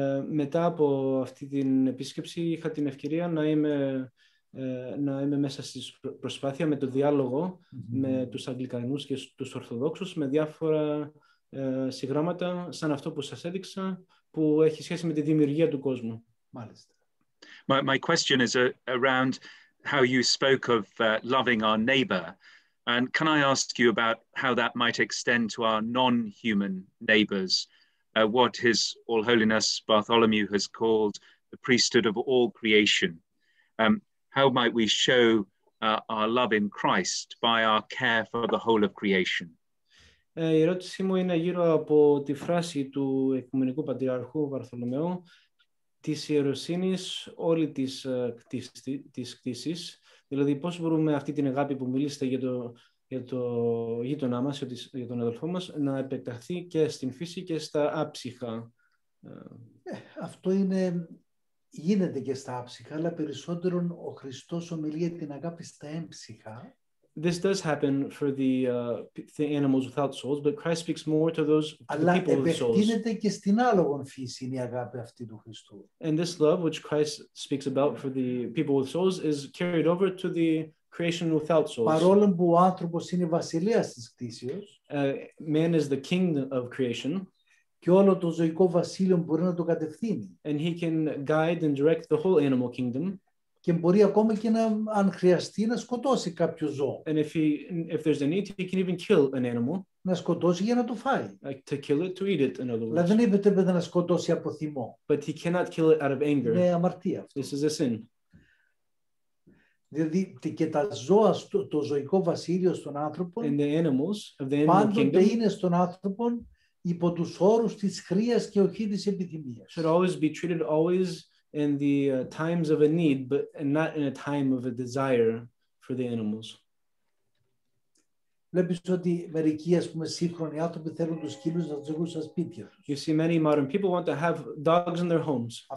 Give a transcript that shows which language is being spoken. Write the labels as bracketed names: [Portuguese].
[Greek] Μετά από αυτή την επίσκεψη είχα την ευκαιρία να είμαι μέσα στη προσπάθεια με το διάλογο με τους Αγγλικανούς και τους Ορθοδόξους με διάφορα συγγράμματα σαν αυτό που σας έδειξα που έχει σχέση με τη δημιουργία του κόσμου. Μάλιστα. [English] My question is around how you spoke of loving our neighbor. And can I ask you about how that might extend to our non-human neighbors? What His All Holiness Bartholomew has called the priesthood of all creation. How might we show our love in Christ by our care for the whole of creation? [Greek] Η ερώτησή μου είναι γύρω από τη φράση του Οικουμενικού Πατριαρχού Βαρθολομαίου της ιεροσύνης όλη της κτήσης, δηλαδή πώς μπορούμε αυτή την αγάπη που μιλήσατε για το γείτονά μας, για τον αδελφό μας, να επεκταθεί και στην φύση και στα άψυχα. Αυτό γίνεται και στα άψυχα, αλλά περισσότερον ο Χριστός ομιλεί για την αγάπη στα έμψυχα. [English] This does happen for the animals without souls, but Christ speaks more to those people with souls. [Greek] Επεκτείνεται και στην άλογον φύση η αγάπη αυτή του Χριστού. [English] And this love which Christ speaks about for the people with souls is carried over to the creation without souls. [Greek] Παρόλο που ο άνθρωπος είναι βασιλείας της κτήσεως, [English] man is the king of creation, [Greek] και όλο το ζωικό βασίλειο μπορεί να το κατευθύνει. [English] And he can guide and direct the whole animal kingdom. [Greek] Και μπορεί ακόμα και να, αν χρειαστεί, να σκοτώσει κάποιο ζώο. [English] And if there's a need, he can even kill an animal. [Greek] Να σκοτώσει για να το φάει. [English] Like to kill it, to eat it, in other words. [Greek] Δεν επιτρέπεται να σκοτώσει από θυμό. [English] But he cannot kill it out of anger. [Greek] Είναι αμαρτία. [English] This is a sin. [Greek] Δηλαδή και τα ζώα, το ζωικό βασίλειο στον άνθρωπο, [English] and the animals of the animal kingdom, [Greek] είναι στον άνθρωπο υπό τους όρους της χρείας και όχι της επιθυμίας. [English] Should always be treated always in the times of a need, but not in a time of a desire for the animals. You see, many modern people want to have dogs in their homes.